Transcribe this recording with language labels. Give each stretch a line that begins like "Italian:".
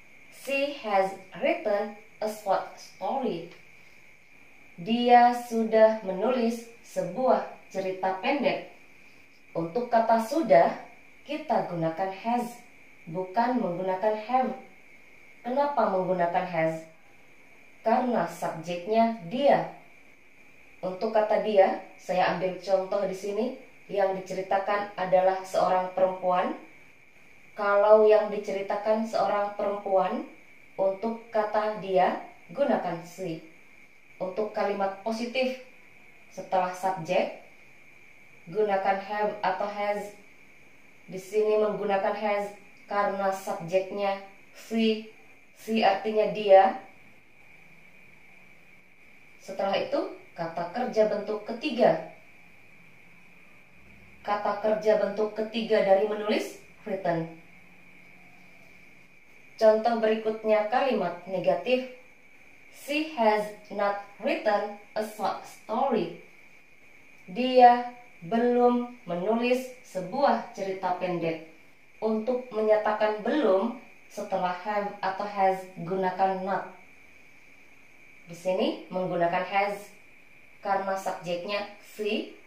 English: She has written a short story.
Indonesian: Dia sudah menulis sebuah cerita pendek. Untuk kata sudah, kita gunakan has, bukan menggunakan have. Kenapa menggunakan has? Karena subjeknya dia. Untuk kata dia, saya ambil contoh di sini. Yang diceritakan adalah seorang perempuan. Kalau yang diceritakan seorang perempuan, untuk kata dia, gunakan she. Untuk kalimat positif, setelah subjek, gunakan have atau has. Di sini menggunakan has karena subjeknya she. She artinya dia. Setelah itu, kata kerja bentuk ketiga. Kata kerja bentuk ketiga dari menulis, written. Contoh berikutnya kalimat negatif.
English: She has not written a short story.
Indonesian: Dia belum menulis sebuah cerita pendek. Untuk menyatakan belum, setelah have atau has, gunakan not. Di sini menggunakan has karena subjeknya she.